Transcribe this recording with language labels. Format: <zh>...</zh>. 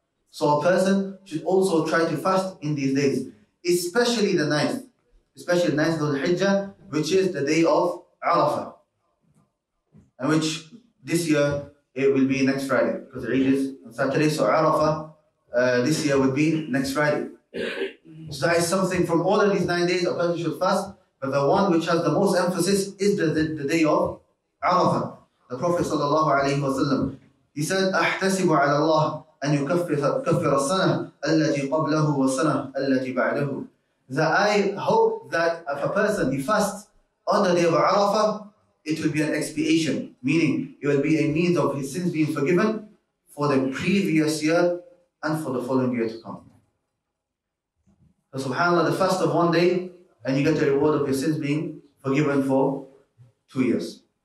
<en>So a person should also try to fast in these days, especially the 9th, especially the 9th of the Hijjah, which is the day of Arafah, and which this year it will be next Friday, because the Eid is on Saturday. So Arafah this year would be next Friday. So that is something from all of these 9 days a person should fast, but the one which has the most emphasis is the day of Arafah. The Prophet sallallahu alayhi wa sallam, he said,</en> <ar>أَحْتَسِبُ عَلَى اللَّهِ أَنْ يُكَفِّرَ السَّنَةَ الَّتِي قَبْلَهُ وَالسَّنَةَ الَّتِي بَعْلَهُ.</ar> <en>That I hope that if a person he fasts on the day of Arafah, it will be an expiation, meaning it will be a means of his sins being forgiven for the previous year and for the following year to come. So subhanAllah, the fast of one day, and you get the reward of your sins being forgiven for 2 years.</en>